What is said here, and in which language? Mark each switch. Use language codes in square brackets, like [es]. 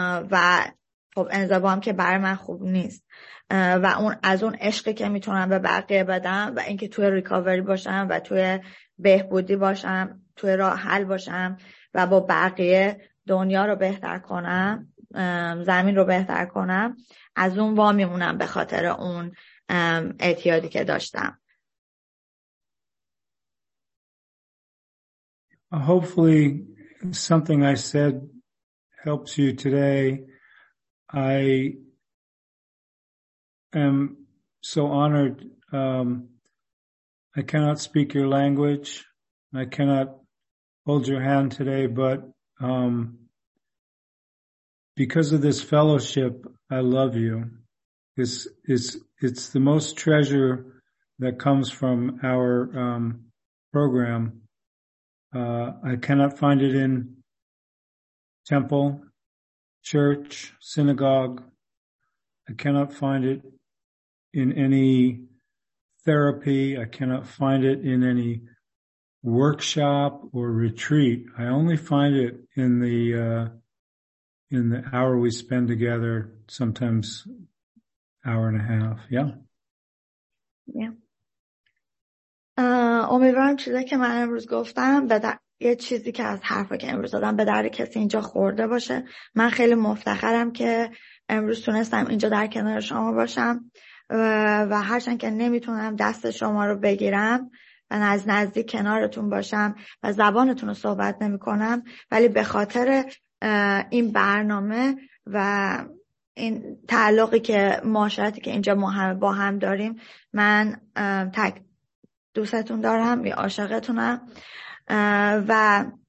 [fa] و خب انزوا هم که برای من خوب نیست و اون از اون عشقی که میتونم به بقیه بدم و اینکه توی ریکاوری باشم و توی بهبودی باشم، توی راه حل باشم و با بقیه دنیا رو بهتر کنم، زمین رو بهتر کنم، از اون وامیمونم به خاطر اون اعتیادی که داشتم. [en] Hopefully something I said helps you today. I am so honored. I cannot speak your language. I cannot hold your hand today, but because of this fellowship, I love you. It's the most treasure that comes from our program. I cannot find it in temple, church, synagogue. I cannot find it in any therapy. I cannot find it in any workshop or retreat. I only find it in the hour we spend together, sometimes hour and a half. Yeah. Yeah. [fa] امیدوارم چیزی که من امروز گفتم یه چیزی که از حرفی که امروز دادم به درد کسی اینجا خورده باشه. من خیلی مفتخرم که امروز تونستم اینجا در کنار شما باشم و هرچند که نمیتونم دست شما رو بگیرم و از نزدیک کنارتون باشم و زبانتون رو صحبت نمی کنم، ولی به خاطر این برنامه و این تعلقی که معاشرتی که اینجا ما هم با هم داریم، من دوستتون دارم یا عاشقتونم و